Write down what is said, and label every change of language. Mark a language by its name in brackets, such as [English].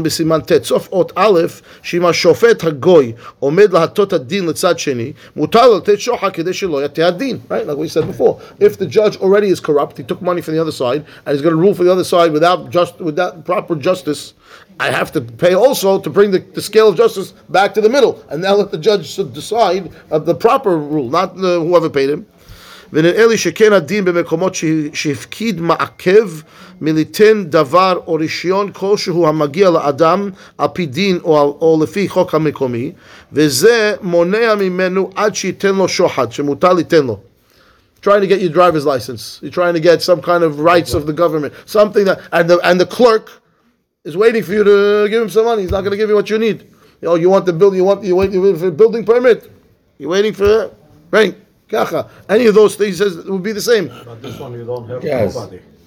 [English] Right? Like we said before, if the judge already is corrupt, he took money from the other side, and he's going to rule for the other side without proper justice, I have to pay also to bring the scale of justice back to the middle, and now let the judge decide the proper rule, not whoever paid him. [Hebrew] ונראה לי שכן הדין במקומות שהפקיד מעכב מליתן דבר או רישיון כלשהו המגיע לאדם על פי דין או לפי חוק המקומי, וזה מונע ממנו עד שייתן לו שוחד, שמותר ליתן לו. [English] trying to get your driver's license. You're trying to get some kind of rights of the government. Something that, and the clerk is waiting for you to give him some money. He's not going to give you what you need. You know, you want the building, you want for a building permit. You're waiting for rent. Kacha. Any of those things, he says, would be the same. But this one, you don't have nobody.